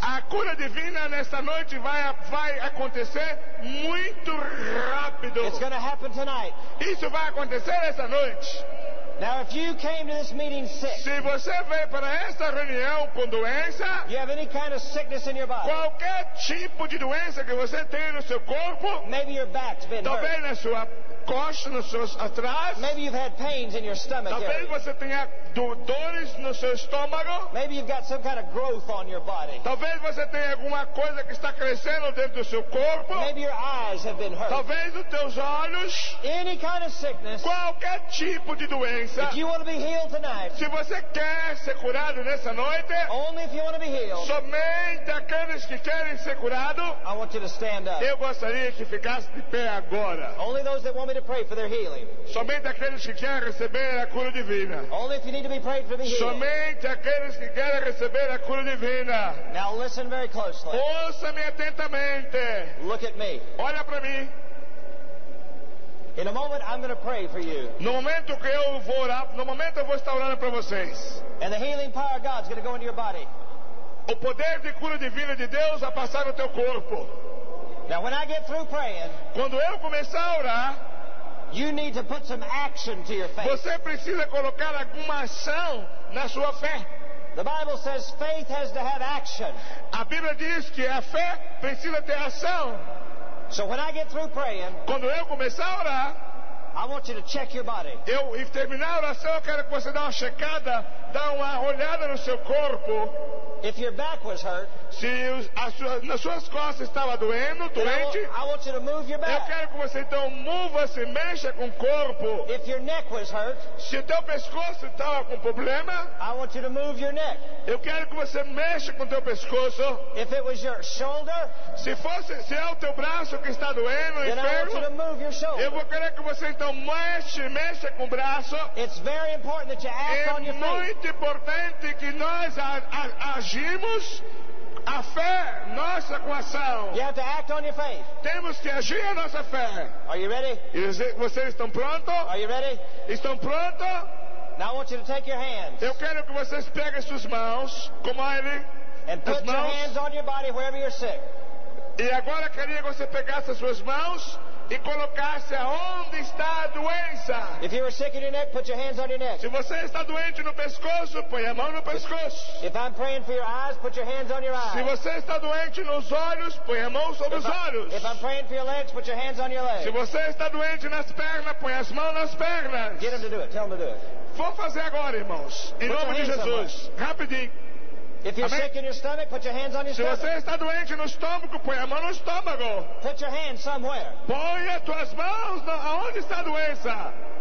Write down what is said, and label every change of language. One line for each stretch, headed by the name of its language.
Portuguese: A cura divina nesta noite vai acontecer muito rápido.
English: It's going to happen tonight.
Portuguese: Isso vai acontecer esta noite.
English: Now, if you came to this meeting sick,
Portuguese: se você veio para esta reunião com doença,
English: you have any kind of sickness in your body,
Portuguese: qualquer tipo de doença que você tem no seu corpo,
English: maybe your back's been
Portuguese: talvez
English: hurt,
Portuguese: na sua costa, nos seus atrás,
English: maybe you've had pains in your stomach,
Portuguese: talvez você tenha dores no seu estômago,
English: maybe you've got some kind of growth on your body,
Portuguese: talvez você tenha alguma coisa que está crescendo dentro do seu corpo,
English: maybe your eyes have been hurt,
Portuguese: talvez os teus olhos,
English: any kind of sickness,
Portuguese: qualquer tipo de doença.
English: If you want to be healed tonight,
Portuguese: se você quer ser curado nessa noite,
English: only if you want to be healed,
Portuguese: somente aqueles que querem ser curado,
English: I want you to stand up.
Portuguese: Eu gostaria que ficasse de pé agora.
English: Only those that want me to pray for their healing.
Portuguese: Somente aqueles que querem receber a cura divina.
English: Only if you need to be prayed for the healing.
Portuguese: Somente aqueles que querem receber a cura divina.
English: Now listen very closely.
Portuguese: Ouça-me atentamente.
English: Look at me.
Portuguese: Olha para mim.
English: In a moment, I'm going to pray for you.
Portuguese: No momento que eu vou orar, no momento eu vou estar orando para vocês.
English: And the healing power of God is going to go into your body.
Portuguese: O poder de cura divina de Deus vai passar no teu corpo.
English: Now, when I get through praying,
Portuguese: quando eu começar a orar,
English: you need to put some action to your faith.
Portuguese: Você precisa colocar alguma ação na sua fé.
English: The Bible says faith has to have action.
Portuguese: A Bíblia diz que a fé precisa ter ação.
English: So when I get through praying,
Portuguese: quando eu começar a orar,
English: I want you to check your body.
Portuguese: Eu, e terminar a oração, quero que você dê uma checada, dê uma olhada no seu corpo.
English: If your back was hurt,
Portuguese: se nas suas costas estava doendo, doente,
English: I want you to move your back.
Portuguese: Eu quero que você então mova-se, mexa com o corpo.
English: If your neck was hurt,
Portuguese: se o teu pescoço estava com problema,
English: I want you to move your neck.
Portuguese: Eu quero que você mexa com o teu pescoço.
English: If it was your shoulder,
Portuguese: se é o teu braço que está doendo,
English: then
Portuguese: enfermo,
English: I want you to move your shoulder.
Portuguese: Eu vou querer que você então mexa com o braço.
English: It's very important that you act
Portuguese: é
English: on your feet.
Portuguese: É muito importante que nós agimos a fé nossa com ação.
English: You have to act on your faith.
Portuguese: Temos que agir a nossa fé.
English: Are you ready?
Portuguese: Vocês estão prontos?
English: Are you ready?
Portuguese: Estão prontos?
English: Now I want you to take your hands.
Portuguese: Eu quero que vocês peguem suas mãos, como ele,
English: and put your hands on your body wherever you're sick.
Portuguese: E agora queria que você pegasse as suas mãos e colocasse aonde está a doença.
English: If you were sick in your neck, put your hands on your neck.
Portuguese: Se você está doente no pescoço, põe a mão no pescoço.
English: If I'm praying for your eyes, put your hands on your eyes.
Portuguese: Se você está doente nos olhos, põe a mão sobre os olhos.
English: If I'm praying for your legs, put your hands on your legs.
Portuguese: Se você está doente nas pernas, põe as mãos nas pernas.
English: Get them to do it. Tell them to do it.
Portuguese: Vou fazer agora, irmãos. Em nome de Jesus. Rapidinho.
English: If you're sick in your stomach, put your hands on your stomach.
Portuguese: Se você está doente no estômago, põe a mão no estômago.
English: Put your hands somewhere.
Portuguese: Põe as tuas mãos aonde está a doença.